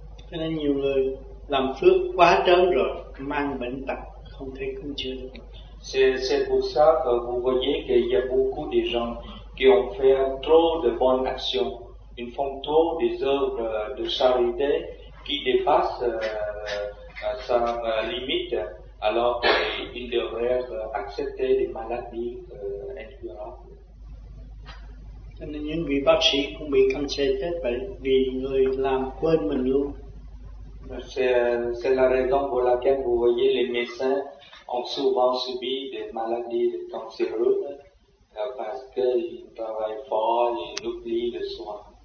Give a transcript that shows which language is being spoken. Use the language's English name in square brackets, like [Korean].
[Vietnamese] Cho nên nhiều người làm phước quá trớn rồi mang bệnh tật không thể cứu chữa được. [French] C'est pour ça que vous voyez qu'il y a beaucoup de gens qui ont fait trop de bonnes actions, ils font trop des œuvres de charité qui dépassent sa limite, alors qu'ils devraient accepter des maladies incurables. [Vietnamese] Cho nên những vị bác sĩ cũng bị cancer chết bệnh vì người làm quên mình luôn. [French] C'est la raison pour laquelle vous voyez les médecins ont souvent subi des maladies cancéreuses parce qu'ils travaillent fort, ils oublient le soin.